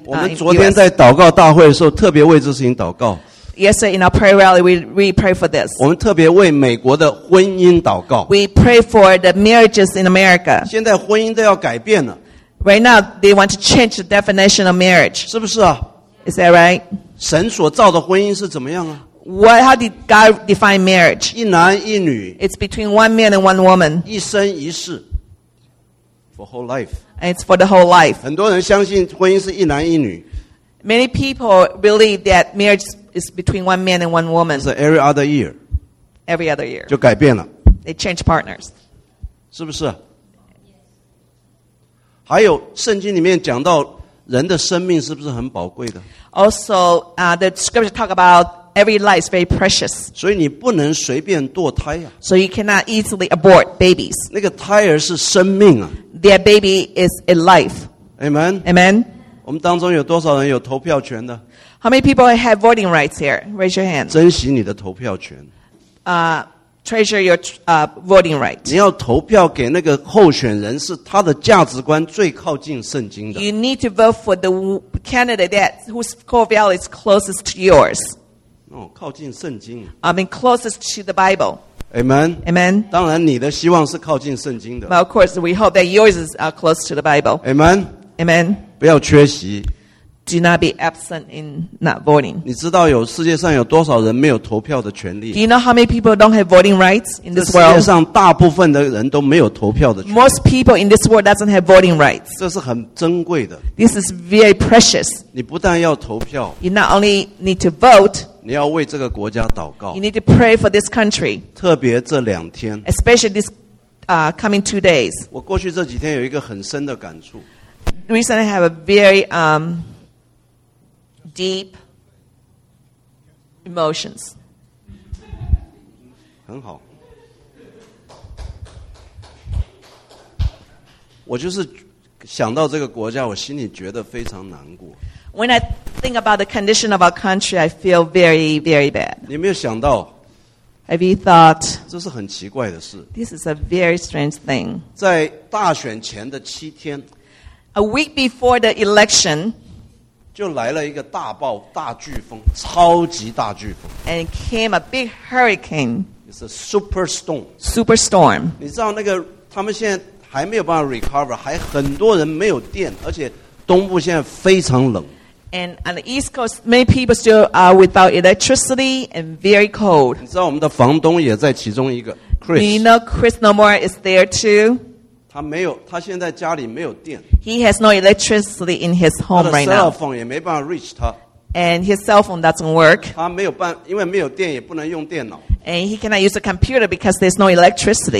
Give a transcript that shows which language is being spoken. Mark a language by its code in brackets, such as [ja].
[zh] 我们昨天在祷告大会的时候特别为这事情祷告。 [en] Yesterday in our prayer rally, we pray for this. [zh] 我们特别为美国的婚姻祷告。 [en] We pray for the marriages in America. [zh] 现在婚姻都要改变了。 [en] Right now, they want to change the definition of marriage. [zh] 是不是啊？ [en] Is that right? [zh] 神所造的婚姻是怎么样啊？ [en] How did God define marriage? [zh] 一男一女。 [en] It's between one man and one woman. [zh] 一生一世。 [en] For whole life. And it's for the whole life. [zh] 很多人相信婚姻是一男一女。 [en] Many people believe that marriage is between one man and one woman. So every other year. Every other year. [zh] 就改变了。 [en] They change partners. [zh] 是不是？还有圣经里面讲到人的生命是不是很宝贵的？ [en] Also, the scripture talk about every life is very precious. [zh] 所以你不能随便堕胎啊。 [en] So you cannot easily abort babies. [zh] 那个胎儿是生命啊。 [en] Their baby is a life. Amen. Amen. [zh] 我们当中有多少人有投票权的？ [en] How many people have voting rights here? Raise your hand. [zh] 珍惜你的投票权。 [en] Treasure your voting rights. [zh] 你要投票给那个候选人是他的价值观最靠近圣经的。 [en] You need to vote for the candidate that whose core value is closest to yours. [zh] 靠近圣经。 [en] I mean closest to the Bible. Amen. Amen. [zh] 当然，你的希望是靠近圣经的。 [en] But of course, we hope that yours is close to the Bible. Amen. Amen. [zh] 不要缺席。 [en] Do not be absent in not voting. [zh] 你知道有世界上有多少人没有投票的权利 [en] ？Do you know how many people don't have voting rights in this world? [zh] 这世界上大部分的人都没有投票的权利。 [en] Most people in this world doesn't have voting rights. [zh] 这是很珍贵的。 [en] This is very precious. [zh] 你不但要投票 [en] ，You not only need to vote. [zh] 你要为这个国家祷告。 [en] You need to pray for this country. [zh] 特别这两天 [en] ，Especially this coming 2 days. [zh] 我过去这几天有一个很深的感触。 [en] Recently, I have a very deep emotions. [zh] 很好。我就是想到这个国家，我心里觉得非常难过。 [en] When I think about the condition of our country, I feel very, very bad. [zh] 你没有想到？ [en] Have you thought? [zh] 这是很奇怪的事。 [en] This is a very strange thing. [zh] 在大选前的七天。 [en] A week before the election. [zh] 就来了一个大暴大飓风，超级大飓风。 [en] And it came a big hurricane. It's a super storm. Super storm. [zh] 你知道那个他们现在还没有办法 recover， 还很多人没有电，而且东部现在非常冷。 [en] And on the East Coast, many people still are without electricity and very cold. [zh] 你知道我们的房东也在其中一个 Chris。 [en] You know Chris Nomura is there too. [zh] 他没有，他现在家里没有电。 [en] He has no electricity in his home right now. [zh] 他的 cell phone 也没办法 reach 他。 [en] And his cell phone doesn't work. [zh] 他没有办，因为没有电也不能用电脑。 [en] And he cannot use a computer because there's no electricity.